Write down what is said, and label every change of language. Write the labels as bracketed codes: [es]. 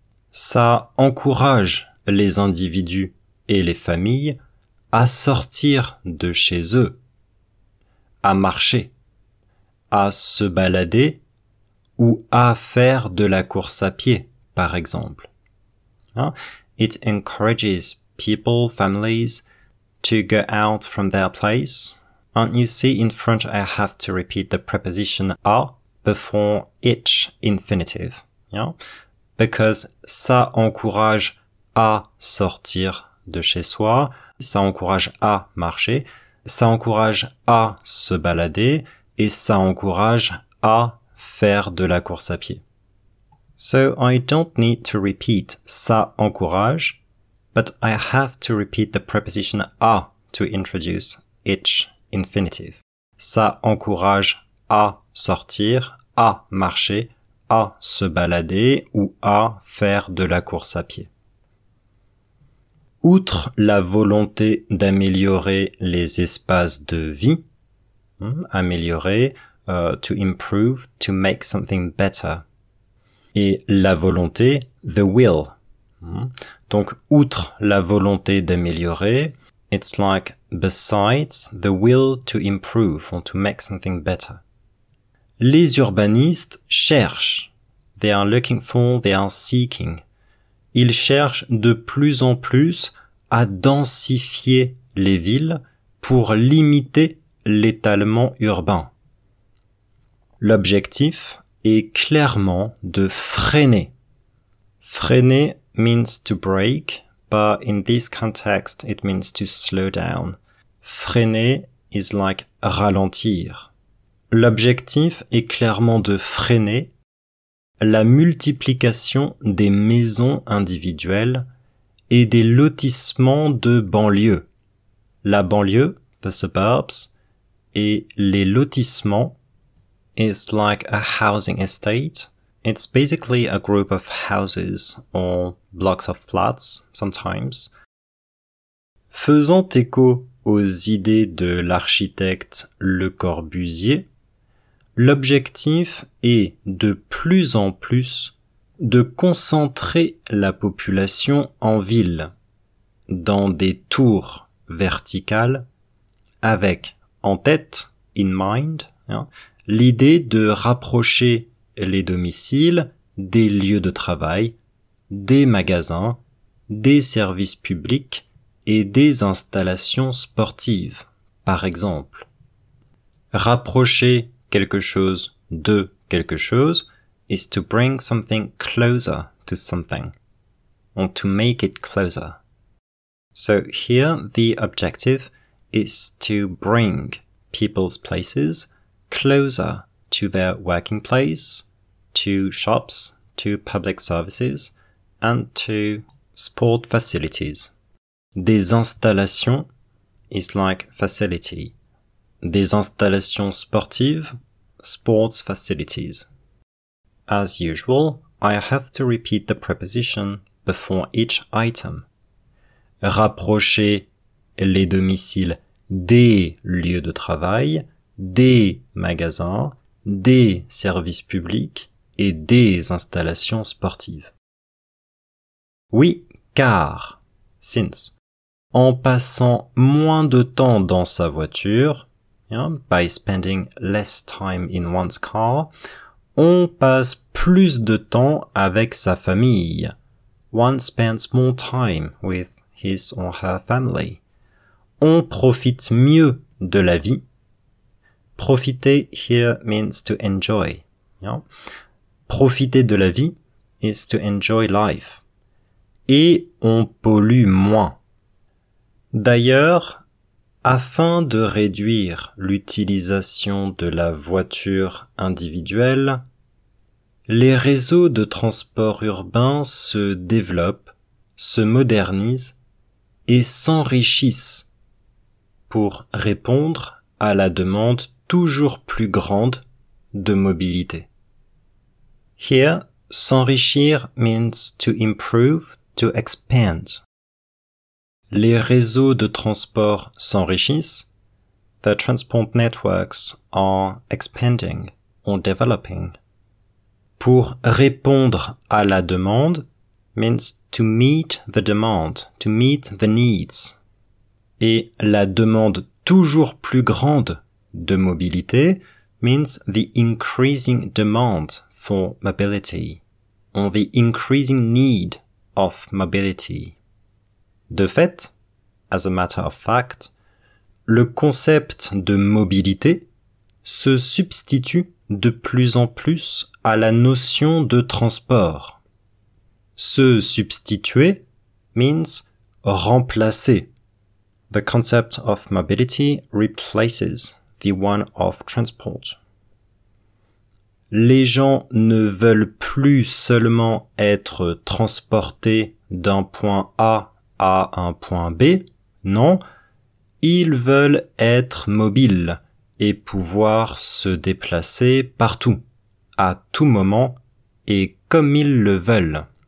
[fr] Ça encourage les individus et les familles à sortir de chez eux, à marcher, à se balader ou à faire de la course à pied, par exemple. [en] It encourages people, families, to go out from their place. And you see in French I have to repeat the preposition à before each infinitive. Yeah? [fr] Because ça encourage à sortir de chez soi, ça encourage à marcher, ça encourage à se balader et ça encourage à faire de la course à pied. [en] So I don't need to repeat [fr] ça encourage, [en] but I have to repeat the preposition à to introduce each infinitive. [fr] Ça encourage à sortir, à marcher, à se balader ou à faire de la course à pied. Outre la volonté d'améliorer les espaces de vie, améliorer, [en] to improve, to make something better, [fr] et la volonté, [en] the will. [fr] Donc, outre la volonté d'améliorer, [en] it's like besides the will to improve or to make something better. Les urbanistes cherchent, they are looking for, they are seeking. [fr] Ils cherchent de plus en plus à densifier les villes pour limiter l'étalement urbain. L'objectif est clairement de freiner. [en] Freiner means to break, but in this context it means to slow down. Freiner is like ralentir. [fr] L'objectif est clairement de freiner la multiplication des maisons individuelles et des lotissements de banlieue. La banlieue, [en] the suburbs, [fr] et les lotissements, [en] it's like a housing estate. It's basically a group of houses or blocks of flats, sometimes. [fr] Faisant écho aux idées de l'architecte Le Corbusier, l'objectif est de plus en plus de concentrer la population en ville, dans des tours verticales, avec en tête, [en] in mind, [fr] hein, l'idée de rapprocher les domiciles des lieux de travail, des magasins, des services publics et des installations sportives, par exemple. Rapprocher quelque chose de quelque chose [en] is to bring something closer to something, or to make it closer. So here the objective is to bring people's places closer to their working place, to shops, to public services, and to sport facilities. Des installations is like facility. [fr] Des installations sportives, [en] sports facilities. As usual, I have to repeat the preposition before each item. [fr] Rapprocher les domiciles des lieux de travail, des magasins, des services publics et des installations sportives. Oui, car, [en] since, [fr] en passant moins de temps dans sa voiture, [en] by spending less time in one's car, [fr] on passe plus de temps avec sa famille. [en] One spends more time with his or her family. [fr] On profite mieux de la vie. [en] Profiter here means to enjoy. Yeah? [fr] Profiter de la vie [en] is to enjoy life. [fr] Et on pollue moins. D'ailleurs, afin de réduire l'utilisation de la voiture individuelle, les réseaux de transport urbain se développent, se modernisent et s'enrichissent pour répondre à la demande toujours plus grande de mobilité. [en] Here, s'enrichir means to improve, to expand. [fr] Les réseaux de transport s'enrichissent. [en] The transport networks are expanding or developing. [fr] Pour répondre à la demande [en] means to meet the demand, to meet the needs. [fr] Et la demande toujours plus grande de mobilité [en] means the increasing demand for mobility, or the increasing need of mobility. [fr] De fait, [en] as a matter of fact, [fr] le concept de mobilité se substitue de plus en plus à la notion de transport. Se substituer [en] means remplacer. The concept of mobility replaces the one of transport. [fr] Les gens ne veulent plus seulement être transportés d'un point A à un point B, non, ils veulent être mobiles et pouvoir se déplacer partout, à tout moment et comme ils le veulent.